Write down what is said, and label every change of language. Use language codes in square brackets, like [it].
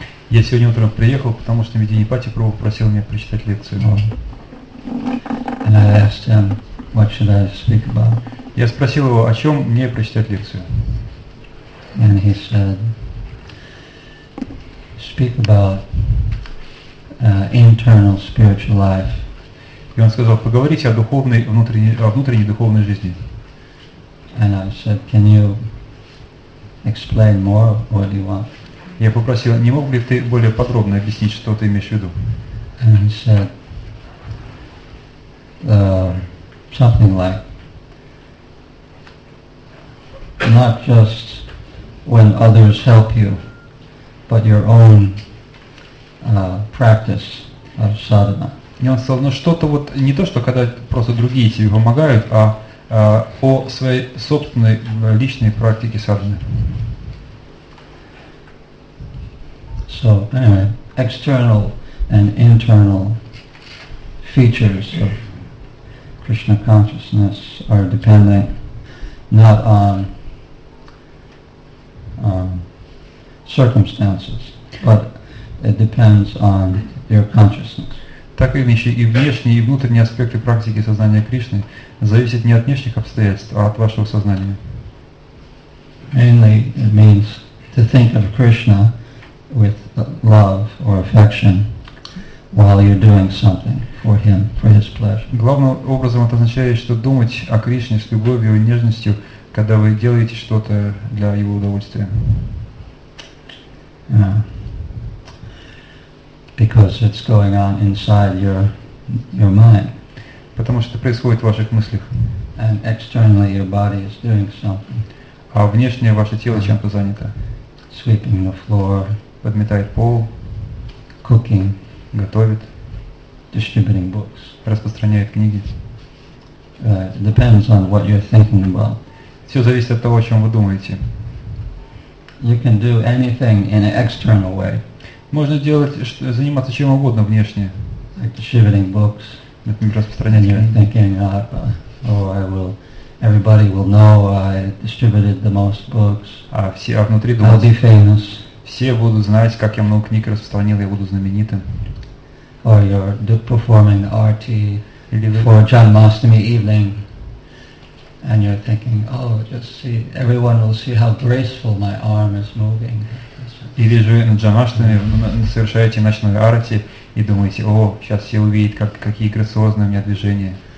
[ru] Я сегодня утром приехал, потому что Медини Пати Прабху просил меня прочитать лекцию. [en] And I asked him, what should I speak about? [ru] Я спросил его, о чем мне прочитать лекцию. [en] And he said, speak about internal spiritual life. [ru] И он сказал, поговорите о духовной, внутренней духовной жизни. [en] And I said, can you explain more what you want? [ru] Я попросил, не мог бы ты более подробно объяснить, что ты имеешь в виду? [en] And he said, something like, not just when others help you, but your own practice of sadhana. [ru] И он сказал, ну что-то вот не то, что когда просто другие тебе помогают, а о своей собственной личной практике садханы. [en] So anyway, external and internal features of Krishna consciousness are dependent not on circumstances, but it depends on your consciousness. [ru] Так и вещи, и внешние, и внутренние аспекты практики сознания Кришны зависят не от внешних обстоятельств, а от вашего сознания. [en] Mainly it means to think of Krishna with love or affection while you're doing something for him, for his pleasure. [ru] Главным образом это означает, что думать о Кришне с любовью и нежностью, когда вы делаете что-то для его удовольствия. [en] Because it's going on inside your mind. [ru] Потому что это происходит в ваших мыслях. [en] And externally your body is doing something. [ru] А внешне ваше тело чем-то занято. [en] Sweeping the floor. [ru] Подметает пол, [en] cooking, [ru] готовит, [en] distributing books, [ru] распространяет книги. [en] Depends on what you're thinking about. [ru] Все зависит от того, о чем вы думаете. [en] You can do anything in an external way. [ru] Можно делать, заниматься чем угодно внешне. [en] Like distributing books. [ru] Например, распространять книги. [en] Thinking, everybody will know I distributed the most books. [ru] А внутри думать. [en] I'll be famous. [ru] Все будут знать, как я много книг распространил, я буду знаменитым. [en] Or you're performing RT for Janmashtami evening, And you're thinking, oh, just see, everyone will see how graceful my arm is moving. [ru] И вы же на джанаштане совершаете ночной арати и думаете, о, сейчас все увидят, как, какие грациозные у меня движения.